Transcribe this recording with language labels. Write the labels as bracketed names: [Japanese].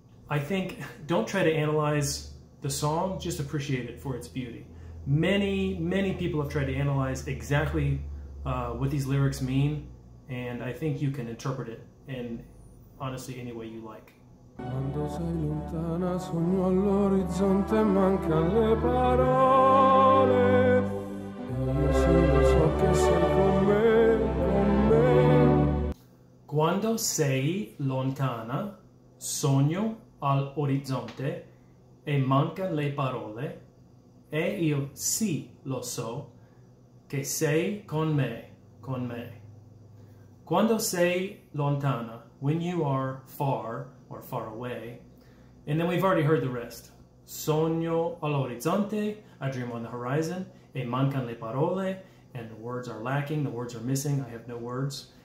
[English] I think, don't try to analyze the song, just appreciate it for its beauty. Many, many people have tried to analyze exactly what these lyrics mean, and I think you can interpret it in, honestly, any way you like. [Italian] Quando sei lontana, sogno all'orizzonte, mancano le parole. Io solo so che sei con me, con me. Quando sei lontana, sogno al orizzonte e manca le parole, e io sì lo so che sei con me, con me. Quando sei lontana, [English] when you are far or far away, and then we've already heard the rest. [Italian] Sogno all'orizzonte, [English] I dream on the horizon, [Italian] e mancan le parole, [English] and the words are lacking, the words are missing, I have no words.